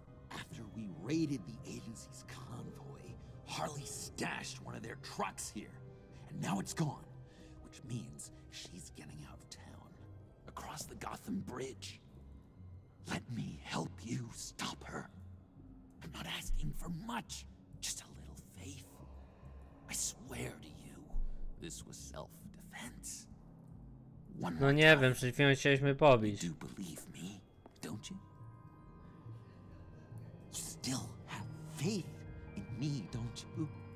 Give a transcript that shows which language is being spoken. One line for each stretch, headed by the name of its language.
English: After we raided the agency's convoy, Harley stashed one of their trucks here, and now it's gone, which means she's getting out of town, across the Gotham Bridge. Let me help you stop her. I'm not asking for much, just a little faith. I swear to you, this was self-defense.
Polish: One no nie wiem, przed chwilą chcieliśmy pobić.
English: You do believe me, don't you? You still have faith in me, don't you?